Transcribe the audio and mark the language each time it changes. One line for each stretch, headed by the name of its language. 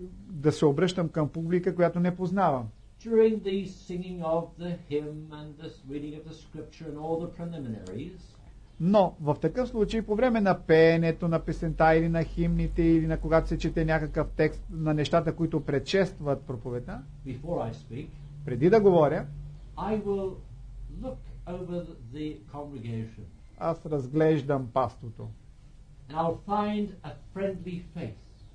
Bulgarian: Да се обръщам към публика, която не познавам.
English: During the singing of the hymn and the reading of the scripture and all the preliminaries.
Bulgarian: Но в такъв случай по време на пеенето на песента или на химните или на когато се чете някакъв текст на нещата, които предшестват проповедта.
English: Before I speak.
Bulgarian: Преди да говоря.
English: I will look over the congregation.
Bulgarian: Аз разглеждам паството.
English: And I'll find a friendly face.